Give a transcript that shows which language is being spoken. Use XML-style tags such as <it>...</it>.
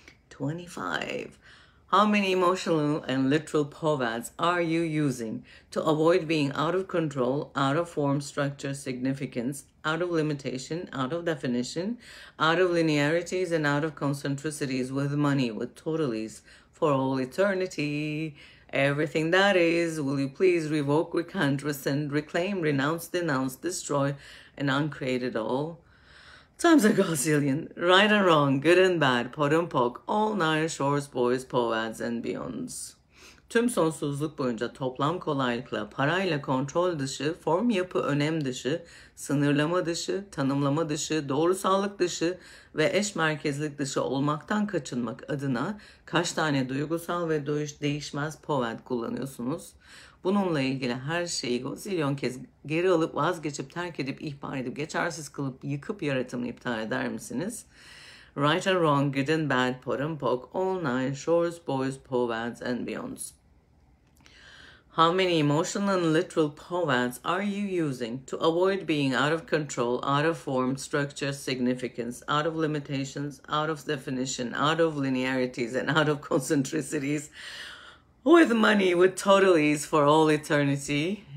<en>25. How many emotional and literal povets are you using to avoid being out of control, out of form, structure, significance, out of limitation, out of definition, out of linearities, and out of concentricities with money, with totalities for all eternity? Everything that is, will you please revoke, recant, rescind, reclaim, renounce, denounce, destroy, and uncreate it all? Times a gazillion, right and wrong, good and bad, pot and poke, all nine shorts, boys, poets, and beyonds.</en> <tr>Tüm sonsuzluk boyunca toplam kolaylıkla, parayla kontrol dışı, form yapı önem dışı, sınırlama dışı, tanımlama dışı, doğrusallık dışı ve eş merkezlik dışı olmaktan kaçınmak adına kaç tane duygusal ve değişmez poet kullanıyorsunuz? Bununla ilgili her şeyi gazilyon kez geri alıp, vazgeçip, terk edip, ihbar edip, geçersiz kılıp, yıkıp yaratımını iptal eder misiniz?</tr> <en>Right and wrong, good and bad, pot and poke, all nine shorts, boys, povets, and beyonds. How many emotional and literal povets are you using to avoid being out of control, out of form, structure, significance, out of limitations, out of definition, out of linearities, and out of concentricities, with money, with totalities for all eternity?</en>